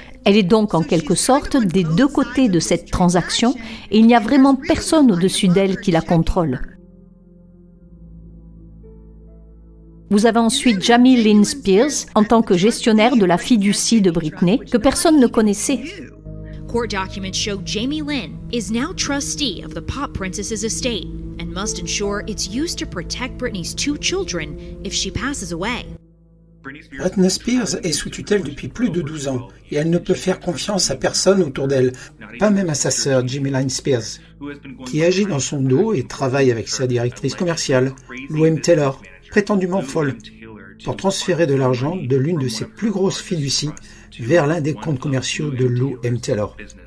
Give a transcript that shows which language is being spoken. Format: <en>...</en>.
<fr>Elle est donc en quelque sorte des deux côtés de cette transaction et il n'y a vraiment personne au-dessus d'elle qui la contrôle. Vous avez ensuite Jamie Lynn Spears en tant que gestionnaire de la fiducie de Britney que personne ne connaissait.</fr> <en>Court documents show Jamie Lynn is now trustee of the pop princess's estate and must ensure it's used to protect Britney's two children if she passes away.</en> <fr>Britney Spears est sous tutelle depuis plus de 12 ans et elle ne peut faire confiance à personne autour d'elle, pas même à sa sœur Jamie Lynn Spears, qui agit dans son dos et travaille avec sa directrice commerciale, Lou M. Taylor, prétendument folle, pour transférer de l'argent de l'une de ses plus grosses fiducies vers l'un des comptes commerciaux de Lou M. Taylor.</fr>